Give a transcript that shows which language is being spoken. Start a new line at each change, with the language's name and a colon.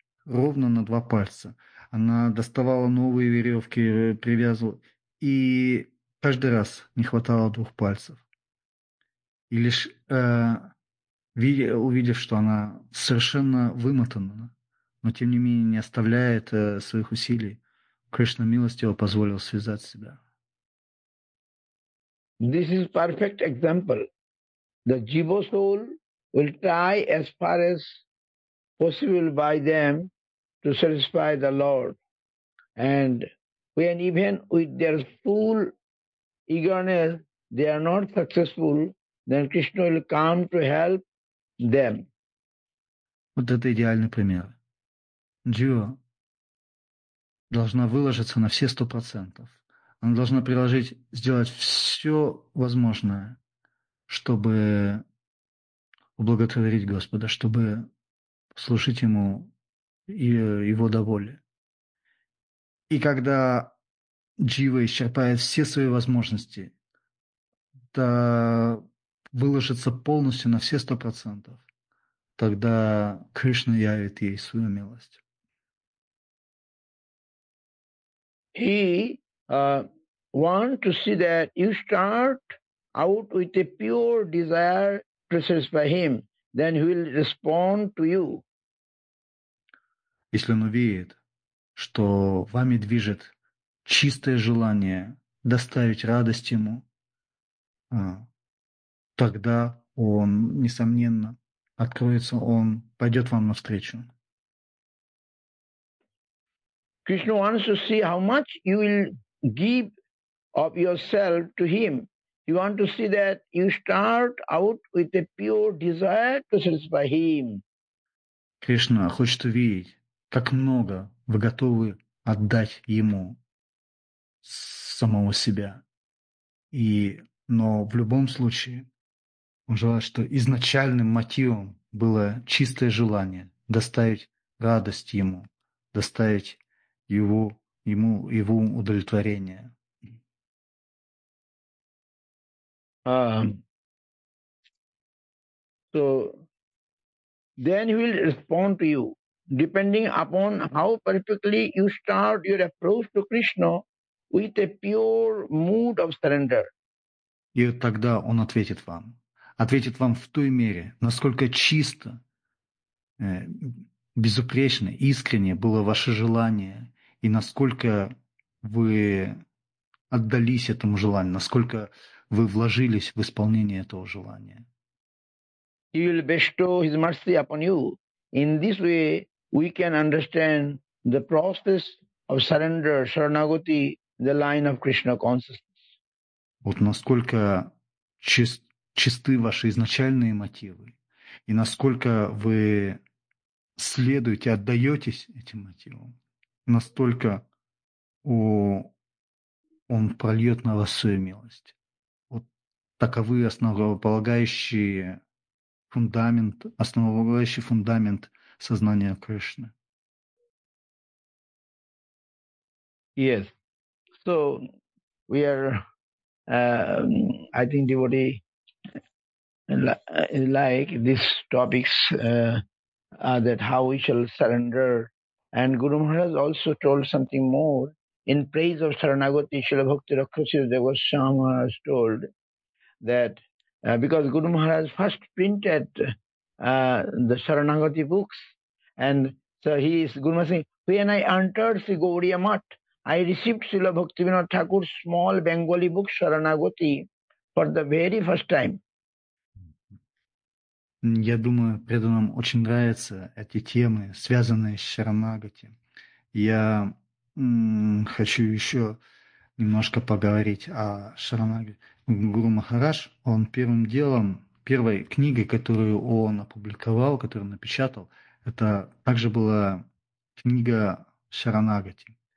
Russian: Ровно на 2 пальца. Она доставала новые веревки, привязывала, и каждый раз не хватало 2 пальцев. И лишь увидев, что она совершенно вымотана, но тем не менее не оставляет своих усилий, Кришна милостиво позволил связать себя.
English: This is perfect example. The jiva soul will try as far as possible by them to satisfy the Lord. And when even with their full eagerness they are not successful, then Krishna will come to help them.
Russian: Вот это идеальный пример. Джива должна выложиться на все 100%. Она должна приложить, сделать все возможное, чтобы ублаготворить Господа, чтобы служить Ему и Его доволе. И когда Джива исчерпает все свои возможности, да выложится полностью на все 100%, тогда Кришна явит ей свою милость.
English: He want to see that you start out with a pure desire to satisfy him, then he will respond to you.
Russian: Если он увидит, что вами движет чистое желание доставить радость ему, тогда он, несомненно, откроется, он пойдет вам навстречу.
English: Krishna wants to see how much you will give of yourself to him. He wants to see that you start out with a pure desire to satisfy him.
Russian: Krishna хочет увидеть, как много вы готовы отдать ему самого себя. И, но в любом случае, он желает, что изначальным мотивом было чистое желание доставить радость ему, доставить его удовлетворение.
English: So then he will respond to you. Depending upon how perfectly you start your approach to Krishna with a pure mood of surrender.
Russian: И тогда он ответит вам. Ответит вам в той мере, насколько чисто, безупречно, искренне было ваше желание. И насколько вы отдались этому желанию, насколько вы вложились в исполнение этого желания.
English: He will bestow his mercy upon you. In this way, we can understand the process of surrender, sharanagati, the line of Krishna consciousness.
Russian: Вот насколько чисты ваши изначальные мотивы, и насколько вы следуете, отдаетесь этим мотивам, настолько он прольет на вас свою милость. Вот таковы основополагающий фундамент сознания Кришны.
English: Yes. So we are, I think devotee like these topics, that how we shall surrender. And Guru Maharaj also told something more in praise of Saranagati. Srila Bhakti Rakshasya Goswami Maharaj told that because Guru Maharaj first printed the Saranagati books, and so he is Guru Maharaj saying, when I entered Sri Gauriya Math, I received Srila Bhaktivinoda Thakur's small Bengali book, Saranagati, for the very first time.
Russian: Я думаю, преданным очень нравятся эти темы, связанные с Шаранагати. Я хочу еще немножко поговорить о Шаранагати. Гуру Махарадж, он первым делом, первой книгой, которую он опубликовал, которую напечатал, это также была книга Шаранагати.